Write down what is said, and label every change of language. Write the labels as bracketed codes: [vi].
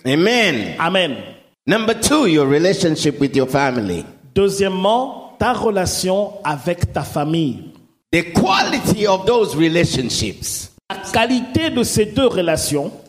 [en] Amen. Amen. Number two, your relationship with your family. [fr] Deuxièmement, ta relation avec ta famille. [en] The quality of those relationships. [fr] La qualité de ces deux relations,